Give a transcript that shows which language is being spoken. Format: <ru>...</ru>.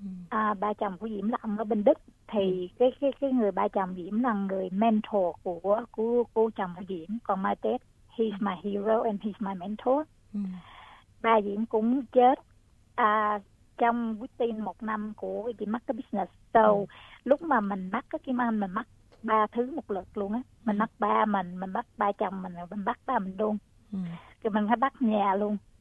<vi>Ba chồng của Diễm là ông ở bên Đức. Thì cái người ba chồng Diễm là người mentor của cô chồng của Diễm.</vi> <en>Còn my dad, he's my hero and he's my mentor.</en> <vi>Ba Diễm cũng chết trong within một năm của Diễm mất cái business. So lúc mà mình mất cái Kim Anh, mình mất ba thứ một lượt luôn á. Mình mất ba mình mất ba chồng mình mất ba mình luôn. Thì mình phải mất nhà luôn.</vi>